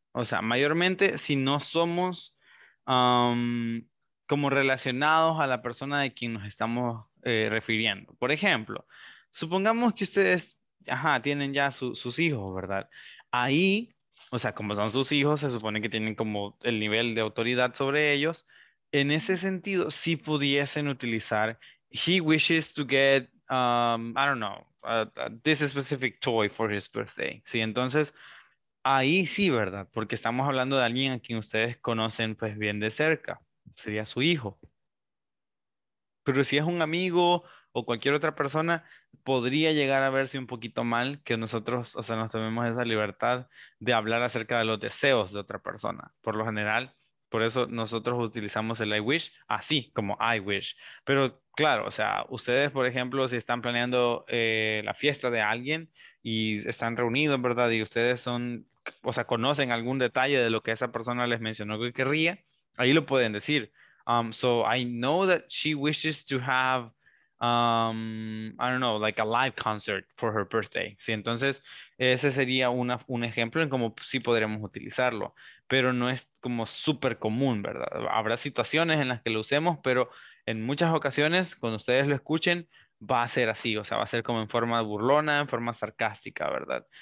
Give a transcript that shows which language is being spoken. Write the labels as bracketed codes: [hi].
[es] O sea, mayormente, si no somos como relacionados a la persona de quien nos estamos refiriendo. Por ejemplo, supongamos que ustedes tienen ya sus hijos, ¿verdad? Ahí... O sea, como son sus hijos, se supone que tienen como el nivel de autoridad sobre ellos. En ese sentido, si pudiesen utilizar, [en] he wishes to get, I don't know, this specific toy for his birthday. [es] Sí, entonces, ahí sí, ¿verdad? Porque estamos hablando de alguien a quien ustedes conocen pues bien de cerca. Sería su hijo. Pero si es un amigo o cualquier otra persona, podría llegar a verse un poquito mal que nosotros, o sea, nos tomemos esa libertad de hablar acerca de los deseos de otra persona. Por lo general, por eso nosotros utilizamos el I wish así, como I wish. Pero claro, o sea, ustedes, por ejemplo, si están planeando la fiesta de alguien y están reunidos, ¿verdad? Y ustedes son, o sea, conocen algún detalle de lo que esa persona les mencionó que querría, ahí lo pueden decir. [en] So I know that she wishes to have I don't know, like a live concert for her birthday. [es] Sí, entonces ese sería una, un ejemplo en cómo sí podríamos utilizarlo, pero no es como súper común, ¿verdad? Habrá situaciones en las que lo usemos, pero en muchas ocasiones, cuando ustedes lo escuchen, va a ser así, o sea, va a ser como en forma burlona, en forma sarcástica, ¿verdad?